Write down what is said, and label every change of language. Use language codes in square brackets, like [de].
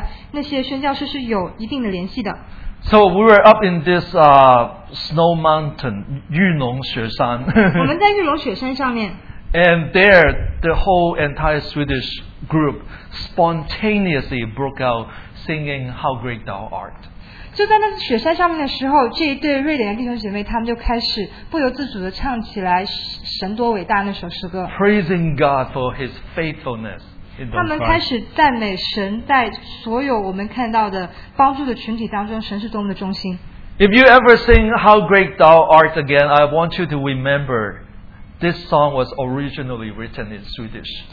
[zh] 我们当时去丽江那个小组团队里面有十多个人，他们可以说都是跟瑞典那几十年前的那些宣教士是有一定的联系的。 [en] So we were up in this snow mountain, 玉龙雪山. [zh] 我们在玉龙雪山上面。 [en] And there, the whole entire Swedish group spontaneously broke out singing "How Great Thou Art." [zh] 就在那雪山上面的时候，这一对瑞典的弟兄姐妹，他们就开始不由自主地唱起来《神多伟大》那首诗歌。 [en] Praising God for His faithfulness. [zh] 他们开始赞美神在所有我们看到的帮助的群体当中，神是多么的忠心。 [en] If you ever sing "How Great Thou Art" again, I want you to remember this song was originally written in Swedish.